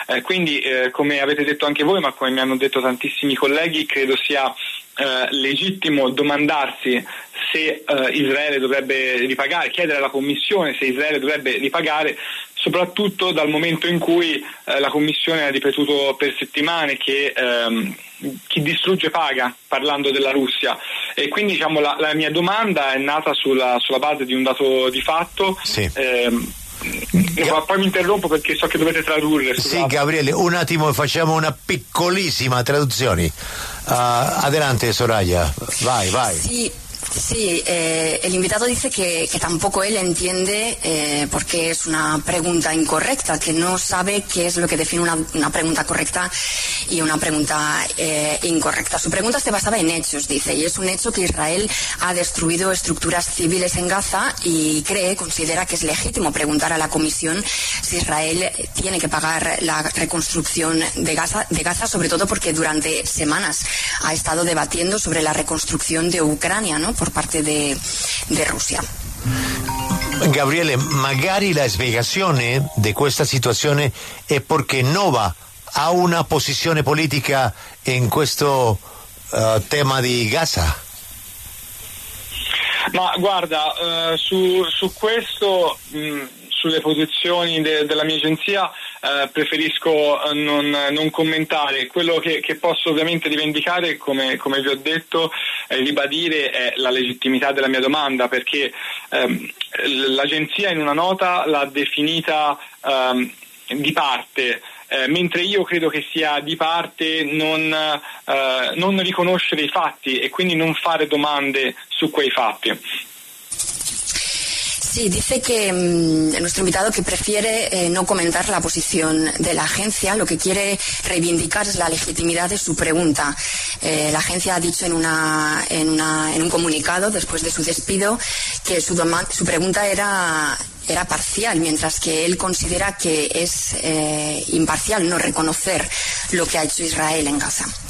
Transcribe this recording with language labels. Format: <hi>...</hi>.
<it>Quindi, come avete detto anche voi, ma come mi hanno detto tantissimi colleghi, credo sia legittimo domandarsi se Israele dovrebbe ripagare, chiedere alla Commissione se Israele dovrebbe ripagare, soprattutto dal momento in cui la Commissione ha ripetuto per settimane che chi distrugge paga, parlando della Russia. E quindi diciamo la mia domanda è nata sulla base di un dato di fatto. Sì. Poi mi interrompo perché so che dovete tradurre. Sì, Gabriele, un attimo, facciamo una piccolissima traduzione.</it> <es>Adelante, Soraya, vai. Sí. Sí, el invitado dice que tampoco él entiende por qué es una pregunta incorrecta, que no sabe qué es lo que define una pregunta correcta y una pregunta incorrecta. Su pregunta se basaba en hechos, dice, y es un hecho que Israel ha destruido estructuras civiles en Gaza y considera que es legítimo preguntar a la Comisión si Israel tiene que pagar la reconstrucción de Gaza, sobre todo porque durante semanas ha estado debatiendo sobre la reconstrucción de Ucrania, ¿no? Por parte de Rusia.</es> <it>Gabriele, magari la spiegazione di questa situazione è perché Nova ha una posizione politica in questo tema di Gaza. Ma guarda, su questo, sulle posizioni della mia agenzia, preferisco non commentare. Quello che posso ovviamente rivendicare, come vi ho detto, ribadire, è la legittimità della mia domanda, perché l'agenzia in una nota l'ha definita di parte, mentre io credo che sia di parte non riconoscere i fatti e quindi non fare domande su quei fatti.</it> <es>Sí, dice que nuestro invitado que prefiere no comentar la posición de la agencia. Lo que quiere reivindicar es la legitimidad de su pregunta. La agencia ha dicho en un comunicado después de su despido que su pregunta era parcial, mientras que él considera que es imparcial no reconocer lo que ha hecho Israel en Gaza.</es>